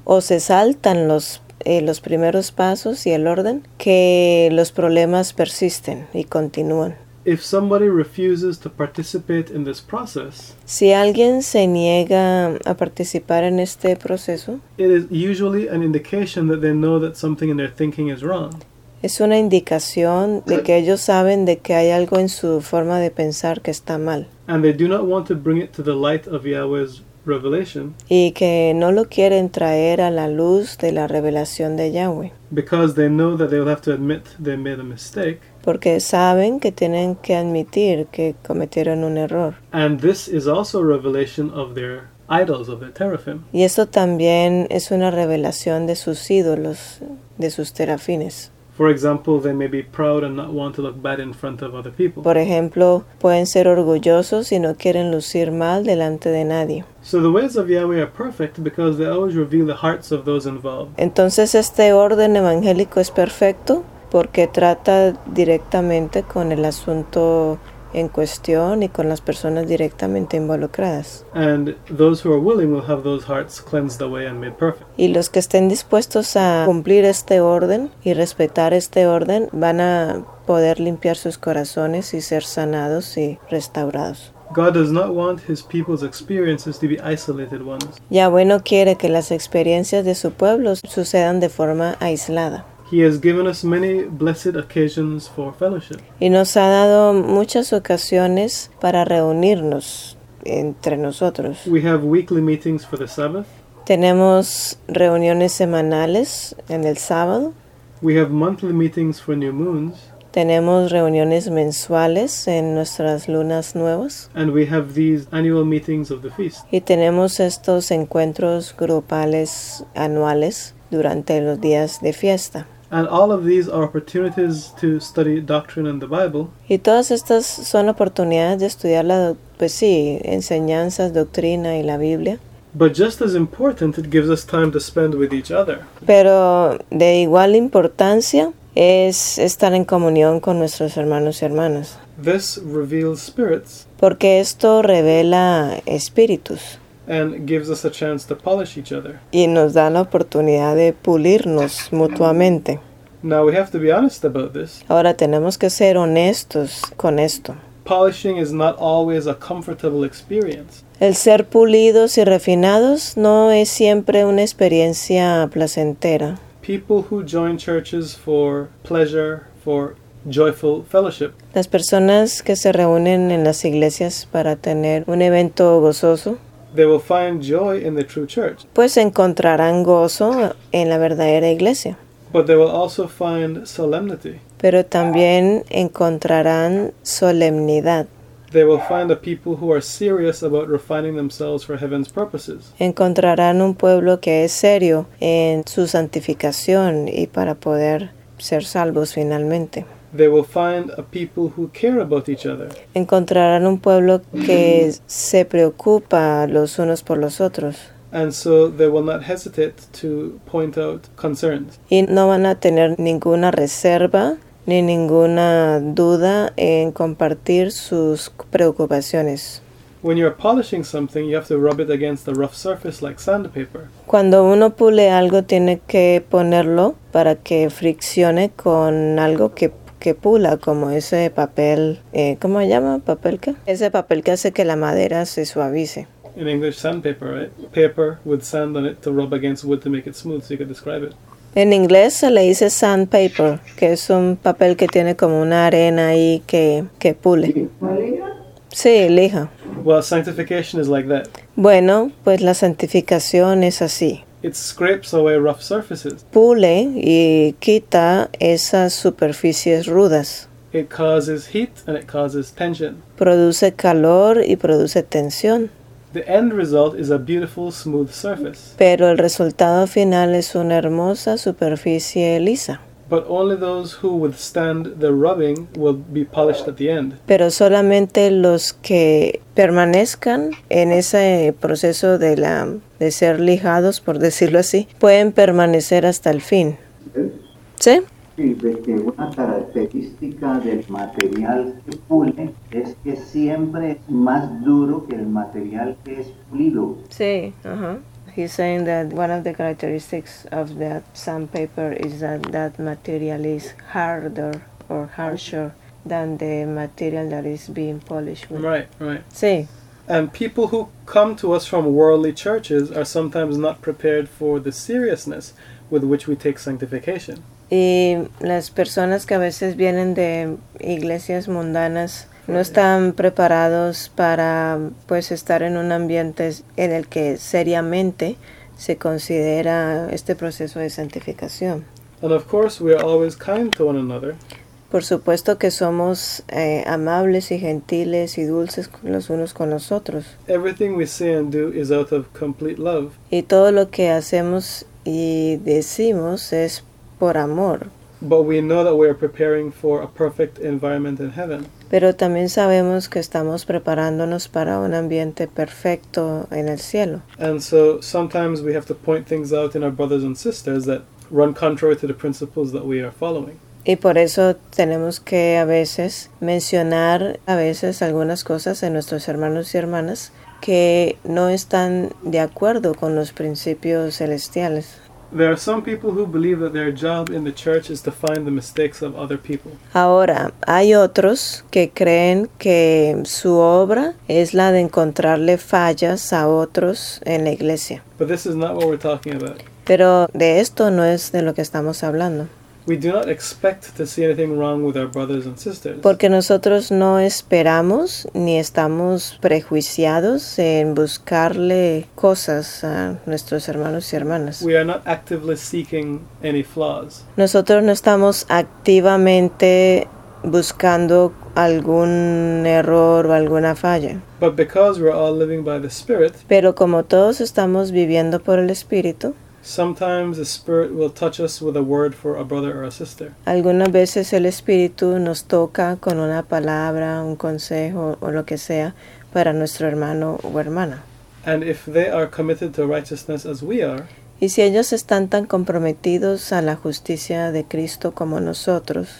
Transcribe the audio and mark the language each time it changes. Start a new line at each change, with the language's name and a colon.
Spanish: O se saltan los primeros pasos y el orden, que los problemas persisten y continúan.
English: If somebody refuses to participate in this process,
Spanish: si alguien se niega a participar en este proceso,
English: it is usually an indication that they know that something in their thinking is wrong.
Spanish: Es una indicación de que ellos saben de que hay algo en su forma de pensar que está mal.
English: And they do not want to bring it to the light of Yahweh's revelation.
Spanish: Y que no lo quieren traer a la luz de la revelación de Yahweh.
English: Because they know that they will have to admit they made a mistake.
Spanish: Porque saben que tienen que admitir que cometieron un error.
English: And this is also a revelation of their idols, of their teraphim.
Spanish: Y esto también es una revelación de sus ídolos, de sus terafines.
English: For example, they may be proud and not want to look bad in front of other people.
Spanish: Por ejemplo, pueden ser orgullosos y no quieren lucir mal delante de nadie.
English: So the ways of Yahweh are perfect because they always reveal the hearts of those involved.
Spanish: Entonces este orden evangélico es perfecto porque trata directamente con el asunto en cuestión y con las personas directamente involucradas.
English: And those who are willing will have those hearts cleansed away and made perfect.
Spanish: Y los que estén dispuestos a cumplir este orden y respetar este orden van a poder limpiar sus corazones y ser sanados y restaurados.
English: God does not want his people's experiences to be isolated ones.
Spanish: Yahweh no quiere que las experiencias de su pueblo sucedan de forma aislada.
English: He has given us many blessed occasions for fellowship.
Spanish: Y nos ha dado muchas ocasiones para reunirnos entre nosotros.
English: We have weekly meetings for the Sabbath.
Spanish: Tenemos reuniones semanales en el sábado.
English: We have monthly meetings for new moons.
Spanish: Tenemos reuniones mensuales en nuestras lunas nuevas.
English: And we have these annual meetings of the feast.
Spanish: Y tenemos estos encuentros grupales anuales durante los días de fiesta.
English: And all of these are opportunities to study doctrine and the Bible.
Spanish: Y todas estas son oportunidades de estudiar la enseñanzas, doctrina y la Biblia.
English: But just as important, it gives us time to spend with each other.
Spanish: Pero de igual importancia es estar en comunión con nuestros hermanos y hermanas.
English: This reveals spirits.
Spanish: Porque esto revela espíritus.
English: And gives us a chance to polish each other.
Spanish: Y nos da la oportunidad de pulirnos mutuamente.
English: Now we have to be honest about this.
Spanish: Ahora tenemos que ser honestos con esto.
English: Polishing is not always a comfortable experience.
Spanish: El ser pulidos y refinados no es siempre una experiencia placentera.
English: People who join churches for pleasure, for joyful fellowship.
Spanish: Las personas que se reúnen en las iglesias para tener un evento gozoso,
English: they will find joy in the true church.
Spanish: Pues encontrarán gozo en la verdadera iglesia.
English: But they will also find solemnity.
Spanish: Pero también encontrarán solemnidad.
English: They will find a people who are serious about refining themselves for heaven's purposes.
Spanish: Encontrarán un pueblo que es serio en su santificación y para poder ser salvos finalmente.
English: They will find a people who care about each other.
Spanish: Encontrarán un pueblo que se preocupa los unos por los otros.
English: And so they will not hesitate to point out concerns.
Spanish: Y no van a tener ninguna reserva ni ninguna duda en compartir sus preocupaciones.
English: When you're polishing something, you have to rub it against a rough surface like sandpaper.
Spanish: Cuando uno pule algo, tiene que ponerlo para que friccione con algo que pula, como ese papel, ¿cómo se llama? ¿Papel qué? Ese papel que hace que la madera se suavice.
English: In English, sandpaper, right? Paper with sand on it to rub against wood to make it smooth, so you could describe it.
Spanish: En inglés se le dice sandpaper, que es un papel que tiene como una arena ahí que pule. Sí, lija.
English: Well, sanctification is like that.
Spanish: Bueno, pues la santificación es así.
English: It scrapes away rough surfaces.
Spanish: Pule y quita esas superficies rudas.
English: It causes heat and it causes tension.
Spanish: Produce calor y produce tensión.
English: The end result is a beautiful, smooth surface.
Spanish: Pero el resultado final es una hermosa superficie lisa.
English: But only those who withstand the rubbing will be polished at the end.
Spanish: Pero solamente los que permanezcan en ese proceso de ser lijados, por decirlo así, pueden permanecer hasta el fin. ¿Sí? Sí, porque una característica del material que pule es que siempre es más duro que el material que es pulido. Sí, ajá.
English: He's saying that one of the characteristics of that sandpaper is that that material is harder or harsher than the material that is being polished with. Right, right.
Spanish: Sí.
English: And people who come to us from worldly churches are sometimes not prepared for the seriousness with which we take sanctification.
Spanish: Y las personas que a veces vienen de iglesias mundanas no están preparados para, pues, estar en un ambiente en el que seriamente se considera este proceso de santificación.
English: And of course, we are always kind to one another.
Spanish: Por supuesto que somos amables y gentiles y dulces los unos con los otros.
English: Everything we say and do is out of complete love.
Spanish: Y todo lo que hacemos y decimos es por amor.
English: But we know that we are preparing for a perfect environment in heaven.
Spanish: Pero también sabemos que estamos preparándonos para un ambiente perfecto en el cielo.
English: And so sometimes we have to point things out in our brothers and sisters that run contrary to the principles that we are following.
Spanish: Y por eso tenemos que a veces mencionar a veces algunas cosas en nuestros hermanos y hermanas que no están de acuerdo con los principios celestiales.
English: There are some people who believe that their job in the church is to find the mistakes of other people.
Spanish: Ahora, hay otros que creen que su obra es la de encontrarle fallas a otros en la iglesia.
English: But this is not what we're talking about.
Spanish: Pero de esto no es de lo que estamos hablando.
English: We do not expect to see anything wrong with our brothers and sisters.
Spanish: Porque nosotros no esperamos ni estamos prejuiciados en buscarle cosas a nuestros hermanos y hermanas.
English: We are not actively seeking any flaws.
Spanish: Nosotros no estamos activamente buscando algún error o alguna falla.
English: But because we're all living by the Spirit,
Spanish: pero como todos estamos viviendo por el Espíritu,
English: sometimes the Spirit will touch us with a word for a brother or a sister.
Spanish: Algunas veces el Espíritu nos toca con una palabra, un consejo o lo que sea para nuestro hermano o hermana.
English: And if they are committed to righteousness as we are,
Spanish: y si ellos están tan comprometidos a la justicia de Cristo como nosotros,